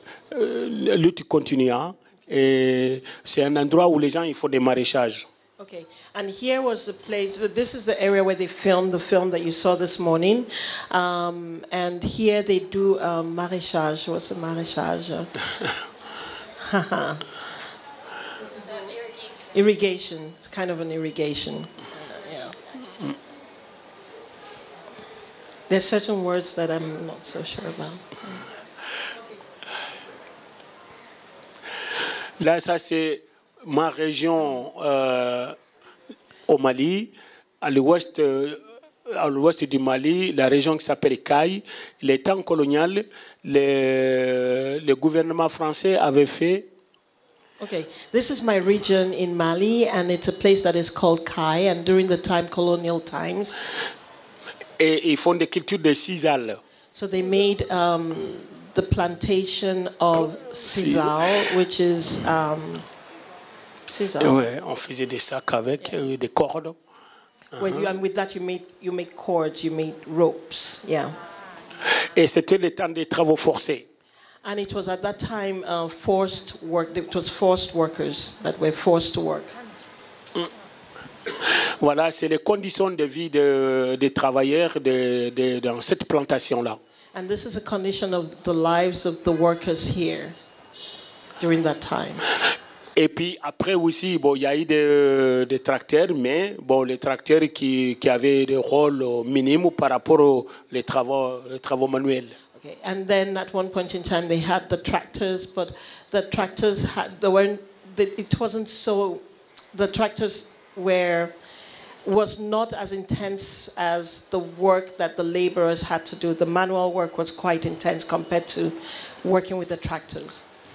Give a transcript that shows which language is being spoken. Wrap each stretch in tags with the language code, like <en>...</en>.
<fr>Lutte continua, et c'est un endroit où les gens ils font des maraîchages.</fr> <en>Okay, and here was the place. This is the area where they filmed the film that you saw this morning. And here they do maraîchage. What's a maraîchage? Irrigation. It's kind of an irrigation. Yeah. There's certain words that I'm not so sure about.</en> <fr>Là, ça, c'est ma région au Mali, à l'ouest du Mali, la région qui s'appelle Kay. Les temps coloniaux, le gouvernement français avait fait.</fr> <en>Okay, this is my region in Mali, and it's a place that is called Kay, and during the time colonial times.</en> <fr>Et ils font des cultures de sisal.</fr> <en>So they made. The plantation of sisal, which is sisal.</en> <fr>Oui, on faisait des sacs avec des cordes.</fr> <en>When you, and with that you make cords, you made ropes, yeah.</en> <fr>Et c'était le temps des travaux forcés.</fr> <en>And it was at that time forced work. It was forced workers that were forced to work.</en> <fr>Voilà, c'est les conditions de vie des travailleurs dans cette plantation là.</fr> <en>And this is a condition of the lives of the workers here during that time.</en> <fr>Et puis après aussi, bon, il y a eu des tracteurs, mais bon, les tracteurs qui avaient des rôles minimes par rapport aux les travaux manuels.</fr> <en>Okay. And then at one point in time, they had the tractors, but the tractors had the tractors were was not as intense as the work that the laborers had to do. The manual work was quite intense compared to working with the tractors.</en>